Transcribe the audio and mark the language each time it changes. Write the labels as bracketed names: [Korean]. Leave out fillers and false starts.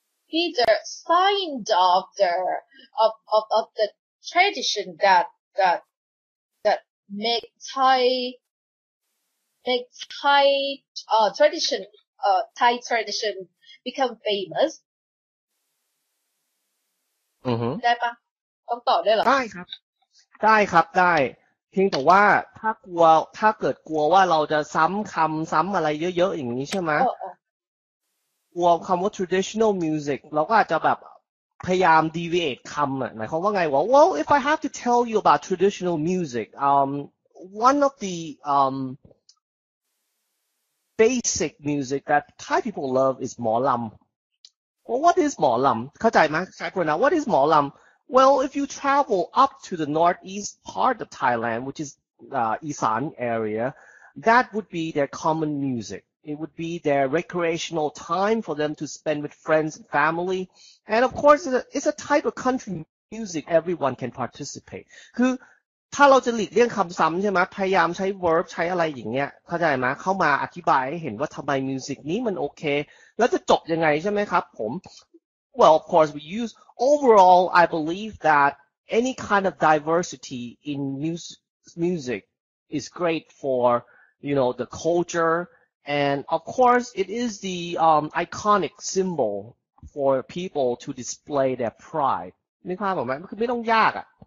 [English] either sign of the tradition that make Thai traditionThai tradition become famous. Uh-huh. [Thai] ได้ปะต้องต่อได้เหรอ ได้ครับได้ครับได้เพียงแต่ว่าถ้ากลัวถ้าเกิดกลัวว่าเราจะซ้ำคำซ้ำอะไรเยอะๆอย่างนี้ใช่ไหมกลัวคำว่า traditional music เราก็อาจจะแบบพยายาม deviate คำอ่ะหมายความว่าไงว่า [English] well if I have to tell you about traditional music one of the basic music that Thai people love is หมอลำ Well, what is หมอลำ [Thai] เข้าใจไหม ใช่ [English] right now What is หมอลำ Well, if you travel up to the northeast part of Thailand, which is Isan area, that would be their common music. It would be their recreational time for them to spend with friends and family. And of course, it's a type of country music everyone can participate. [Thai] คือถ้าเราจะหลีกเลี่ยงคำซ้ำใช่ไหมพยายามใช้ [English] verb [Thai] ใช้อะไรอย่างเงี้ยเข้าใจไหมเข้ามาอธิบายให้เห็นว่าทำไมมิวสิกนี้มันโอเคแล้วจะจบยังไงใช่ไหมครับผม [English] Well of course we use overall I believe that any kind of diversity in music is great for you know the culture and of course it is the iconic symbol for people to display their pride [Thai] นึกภาพออกไหมคือไม่ต้องยากอะ